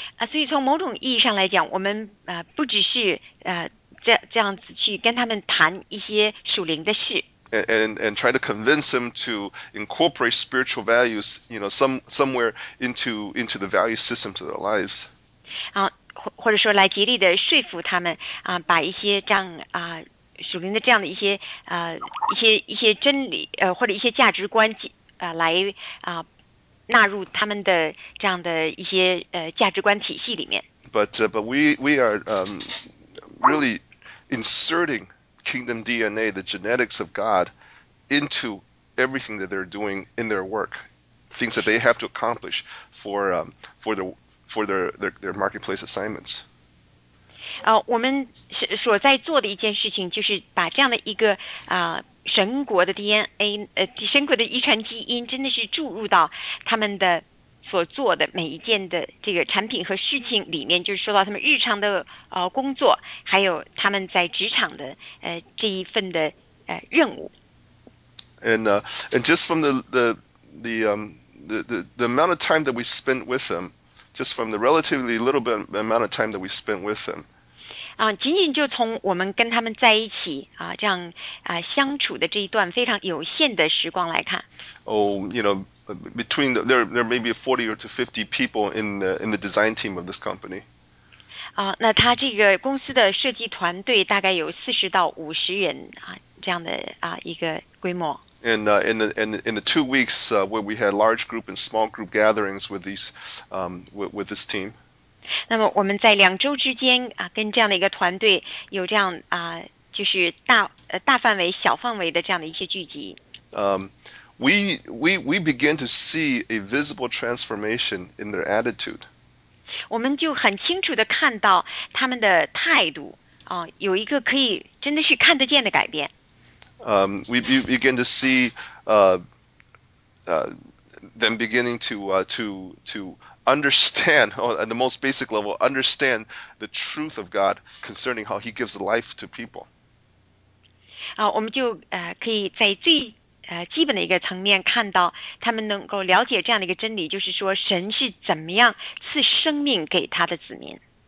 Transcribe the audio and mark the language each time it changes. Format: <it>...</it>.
<zh>所以从某种意义上来讲，我们、不只是、这样子去跟他们谈一些属灵的事。</zh> <en>And try to convince him to incorporate spiritual values, you know, somewhere into the value systems of their lives.</en> <zh>或者说来极力的说服他们、把一些这样、属灵的这样的一些、一些真理、或者一些价值观、来、纳入他们的这样的一些、价值观体系里面。</zh> <en>But we are really inserting Kingdom DNA, the genetics of God, into everything that they're doing in their work, things that they have to accomplish for their marketplace assignments.</en> <zh>我们所在做的一件事情就是把这样的一个、神国的 DNA、神国的遗传基因真的是注入到他们的所做的每一件的这个产品和事情里面，就是说到他们日常的、工作，还有他们在职场的、这一份的、任务。</zh> <en>And just from the amount of time that we spent with them, just from the relatively little bit amount of time that we spent with them.</en> <zh>仅仅就从我们跟他们在一起、这样、相处的这一段非常有限的时光来看。</zh> <en>Between there may be 40 to 50 people in the design team of this company.</en> <zh>那他这个公司的设计团队大概有40到50人啊、这样的啊、一个规模。</zh> <en>And in the 2 weeks、where we had large group and small group gatherings with these with this team.</en> <zh>那么我们在两周之间啊、跟这样的一个团队有这样啊、就是大范围、小范围的这样的一些聚集。</zh> <en>We begin to see a visible transformation in their attitude.</en> <zh>我们就很清楚地看到他们的态度、有一个可以真的是看得见的改变。</zh> <en>We begin to see them beginning to understand, at the most basic level, understand the truth of God concerning how He gives life to people.</en> <zh>我们就、可以在最基本的一个层面看到他们能够了解这样的一个真理，就是说神是怎么样赐生命给他的子民。</zh>